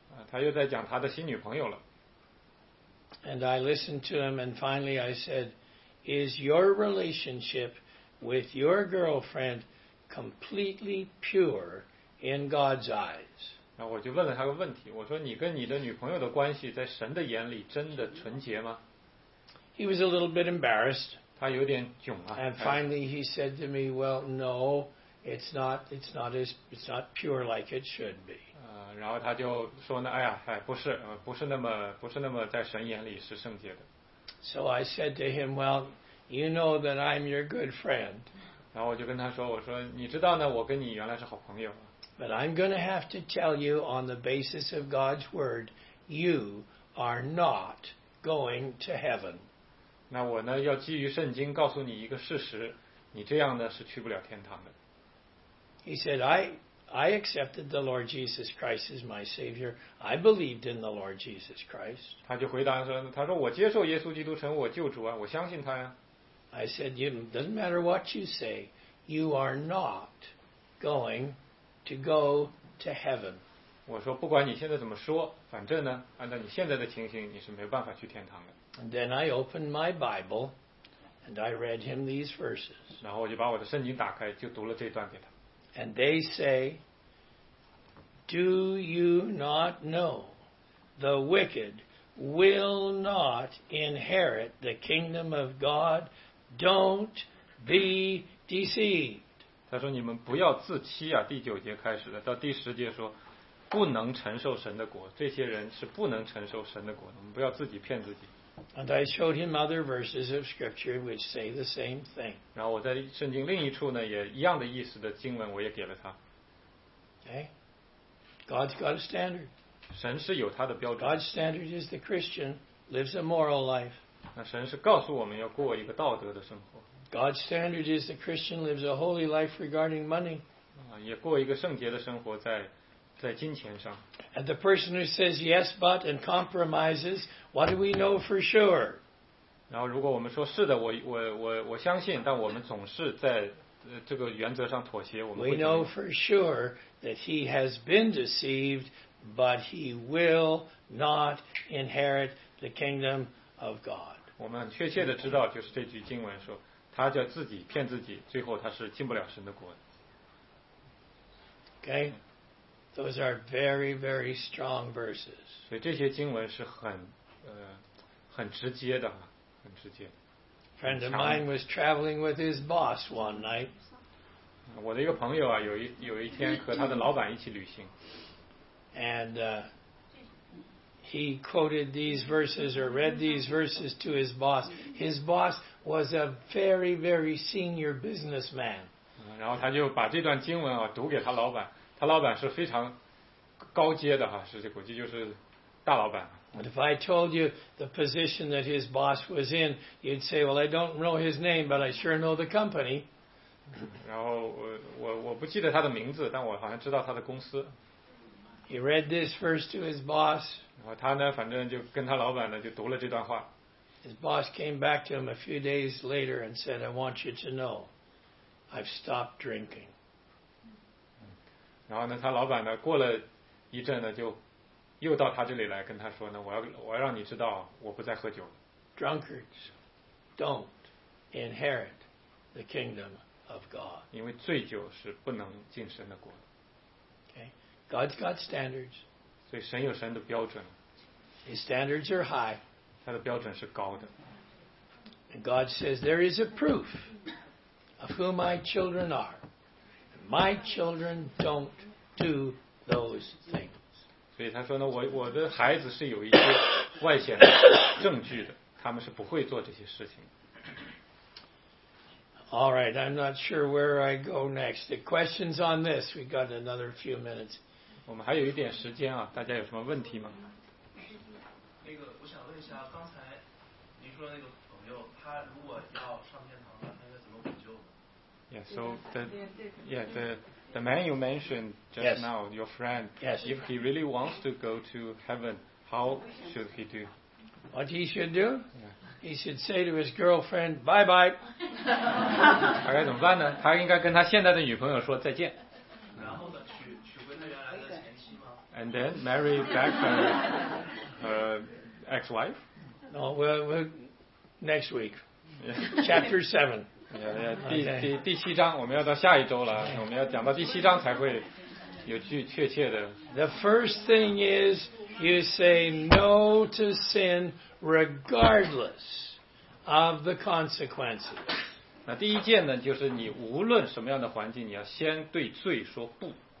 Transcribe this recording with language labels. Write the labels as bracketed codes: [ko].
[zh] 他又在讲他的新女朋友了。 [en] And I listened to him, and finally I said, "Is your relationship with your girlfriend completely pure in God's eyes?" [zh] 那我就问了他个问题，我说你跟你的女朋友的关系在神的眼里真的纯洁吗？ [en] He was a little bit embarrassed. [zh] 他有点窘啊。 [en] And finally he said to me, well, no, it's not pure like it should be. [zh] 然后他就说呢，哎呀，哎，不是那么在神眼里是圣洁的。 [en] So I said to him, well, you know that I'm your good friend. [zh] 然后我就跟他说，我说你知道呢，我跟你原来是好朋友。 [en] But I'm going to have to tell you on the basis of God's word, you are not going to heaven. [zh] 那我呢要基于圣经告诉你一个事实，你这样呢是去不了天堂的。 [en] He said, I accepted the Lord Jesus Christ as my Savior. I believed in the Lord Jesus Christ. [zh] 他就回答说，他说我接受耶稣基督成我救主啊，我相信他呀。 [en] I said, it doesn't matter what you say, you are not going to heaven. To go to heaven. [zh] 我说不管你现在怎么说，反正呢，按照你现在的情形，你是没有办法去天堂的。 [en] And then I opened my Bible, and I read him these verses. [zh] 然后我就把我的圣经打开，就读了这段给他。 [en] And they say, "Do you not know, the wicked will not inherit the kingdom of God? Don't be deceived." [zh] 他说你们不要自欺啊，第九节开始的到第十节说不能承受神的国，这些人是不能承受神的国的，我们不要自己骗自己。 [en] And I showed him other verses of scripture which say the same thing. [zh] 然后我在圣经另一处呢也一样的意思的经文我也给了他。 [en] Okay. God's got a standard. [zh] 神是有他的标准。 [en] God's standard is the Christian lives a moral life. [zh] 那神是告诉我们要过一个道德的生活。 [en] God's standard is the Christian lives a holy life regarding money. [zh] 也过一个圣洁的生活在金钱上。 [en] And the person who says yes but and compromises, what do we know for sure? [zh] 然后如果我们说是的，我相信，但我们总是在这个原则上妥协，我们会。 [en] We know for sure that he has been deceived, but he will not inherit the kingdom of God. [zh] 我们很确切的知道，就是这句经文说。他叫自己骗自己，最后他是进不了神的国。 [en] Okay, those are very, very strong verses. [zh] 所以这些经文是很直接的，很直接。 [en] Friend of mine was traveling with his boss one night. [zh] 我的一个朋友啊，有一天和他的老板一起旅行。 [en] And he quoted these verses or read these verses to his boss. His boss was a very, very senior businessman. [zh] 然后他就把这段经文啊读给他老板，他老板是非常高阶的哈，是这估计就是大老板。 [en] But if I told you the position that his boss was in, you'd say, well, I don't know his name, but I sure know the company. [zh] 然后我不记得他的名字，但我好像知道他的公司。 [en] He read this verse to his boss. [zh] 然后他呢，反正就跟他老板呢，就读了这段话。 [en] His boss came back to him a few days later and said, I want you to know, I've stopped drinking. [zh] 然后呢，他老板呢，过了一阵呢，就又到他这里来跟他说呢，我要让你知道，我不再喝酒。 [en] Drunkards don't inherit the kingdom. Of God. [zh] 因为醉酒是不能进神的国。 [en] Okay. God's got standards. [zh] 所以神有神的标准。 [en] His standards are high. [zh] 他的标准是高的。 [en] And God says, there is a proof of who my children are. My children don't do those things. [zh] 所以他说呢， 我的孩子是有一些外显的证据的，他们是不会做这些事情的。 [en] All right, I'm not sure where I go next. The questions on this, we've got another few minutes. [zh] 我们还有一点时间啊，大家有什么问题吗？那个，我想问一下，刚才您说的那个朋友，他如果要上天堂了，他应该怎么补救呢？ [en] Yeah, so the man you mentioned just yes. now, your friend, yes. if he really wants to go to heaven, how should he do? What he should do? Yeah. He should say to his girlfriend, bye-bye. [zh] 他该怎么办呢？他应该跟他现在的女朋友说再见。然后呢，娶回他原来的前妻吗？ [en] And then marry back her ex-wife? No, we'll next week. Chapter 7. Yeah, yeah, [zh] 第七章，我们要到下一周了。我们要讲到第七章才会有句确切的。 [en] The first thing is you say no to sin. Regardless of the consequences. [zh] 那第一件呢，就是你无论什么样的环境，你要先对罪说不。